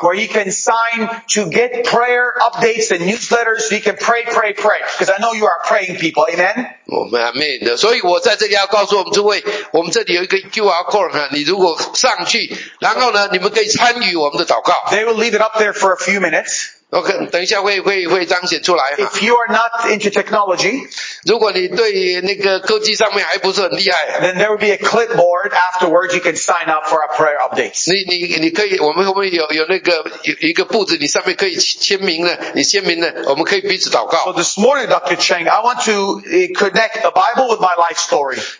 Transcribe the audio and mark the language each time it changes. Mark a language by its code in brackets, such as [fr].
[en] Where you can sign to get prayer updates and newsletters, so you can pray. Because I know you are praying people, amen? [zh] 我们阿门的。所以我在这里要告诉我们诸位，我们这里有一个 QR code，你如果上去，然后呢，你们可以参与我们的祷告。 [en] They will leave it up there for a few minutes. [zh] OK，等一下会彰显出来。 [en] If you are not into technology, [zh] 如果你对那个科技上面还不是很厉害， [en] then there will be a clipboard afterwards. You can sign up for our prayer updates. [zh] 你可以，我们后面有那个一个簿子，你上面可以签名的，你签名的，我们可以彼此祷告。 [en] So this morning, Dr. Cheng, I want to connect the Bible with my life story.